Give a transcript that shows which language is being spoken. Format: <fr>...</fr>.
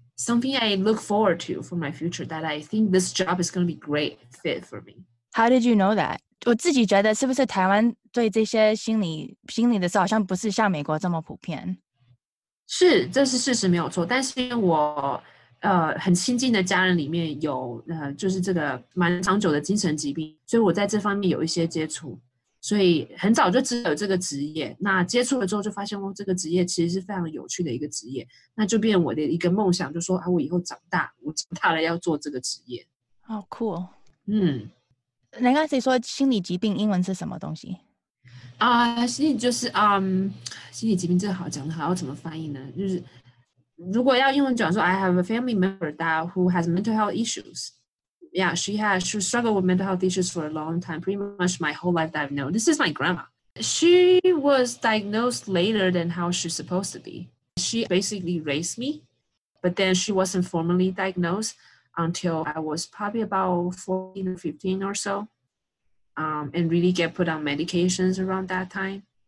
<en>？Something I look forward to for my future that I think this job is going to be great fit for me. How did you know that？</en> <zh>我自己觉得是不是台湾对这些心理的事，好像不是像美国这么普遍？是，这是事实没有错，但是我。很亲近的家人里面有就是这个蛮长久的精神疾病，所以我在这方面有一些接触，所以很早就知道有这个职业。那接触了之后就发现、这个职业其实是非常有趣的一个职业，那就变我的一个梦想，就说我以后长大，我长大了要做这个职业。好酷哦。嗯，你刚才说心理疾病英文是什么东西啊？心理就是心理疾病，这好讲的好，要怎么翻译呢？就是如果要英文讲说</zh> <en>I have a family member that who has mental health issues. Yeah, she struggled with mental health issues for a long time, pretty much my whole life that I've known. This is my grandma. She was diagnosed later than how she's supposed to be. She basically raised me, but then she wasn't formally diagnosed until I was probably about 14 or 15 or so, and really get put on medications around that time.</en>